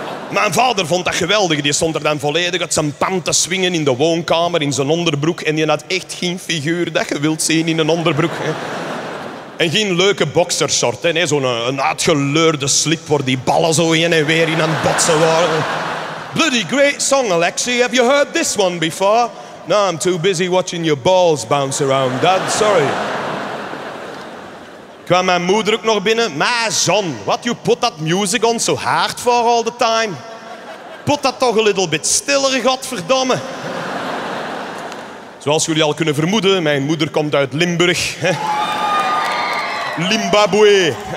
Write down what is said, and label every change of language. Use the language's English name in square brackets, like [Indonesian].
[Dutch] Mijn vader vond dat geweldig. Die stond er dan volledig uit zijn pan te swingen in de woonkamer, in zijn onderbroek. En die had echt geen figuur dat je wilt zien in een onderbroek. En geen leuke boxershort. Nee, zo'n uitgeleurde slip waar die ballen zo heen en weer in aan het botsen waren. [English] Bloody great song, Alexi. Have you heard this one before? No, I'm too busy watching your balls bounce around, Dad. Sorry. [Dutch] Kwam mijn moeder ook nog binnen. [English] Maar John, what you put that music on so hard for all the time? [Dutch] Put dat toch een [English] little bit [Dutch] stiller, godverdomme. Zoals jullie al kunnen vermoeden, mijn moeder komt uit Limburg. Limbabwe.